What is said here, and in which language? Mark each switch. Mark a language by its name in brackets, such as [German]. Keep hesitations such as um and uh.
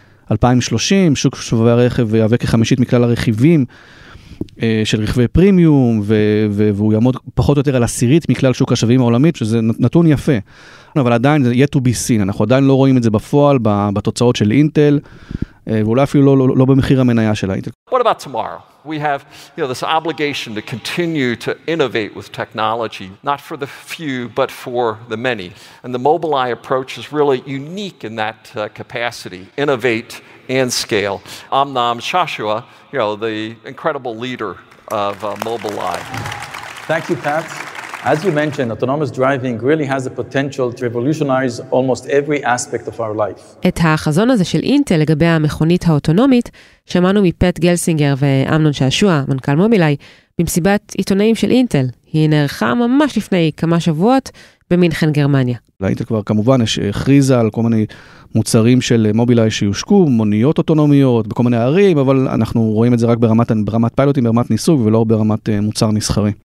[Hebrew] 2030, שוק שובבי הרכב יהווה כחמישית מכלל הרכיבים אה, של רכבי פרימיום, ו- ו- והוא יעמוד פחות או יותר על עשירית מכלל שוק השווים העולמית, שזה נתון יפה. אבל עדיין זה יהיה [English] to be seen, [Hebrew] אנחנו עדיין לא רואים את זה בפועל, בתוצאות של אינטל, אה, ואולי אפילו לא, לא, לא במחיר המניה של האינטל. [English] we have you know, this obligation to continue to innovate with technology, not for the few, but for the many. And the Mobileye approach is really unique in that uh, capacity innovate and scale. Amnam Shashua, you know, the incredible leader of uh, Mobileye. Thank you, Pat. As you mentioned, autonomous driving really has the potential to revolutionize almost every aspect of our life. [Hebrew] את החזון הזה של אינטל לגבי המכונית האוטונומית, שמענו מפט גלסינגר ואמנון שעשוע, מנכ"ל מובילאיי, במסיבת עיתונאים של אינטל. היא נערכה ממש לפני כמה שבועות במינכן גרמניה. לאינטל כבר כמובן יש הכריזה על כל מיני מוצרים של מובילאיי שיושקו, מוניות אוטונומיות בכל מיני ערים, אבל אנחנו רואים את זה רק ברמת, ברמת פיילוטים, ברמת ניסוג ולא ברמת מוצר מסחרי.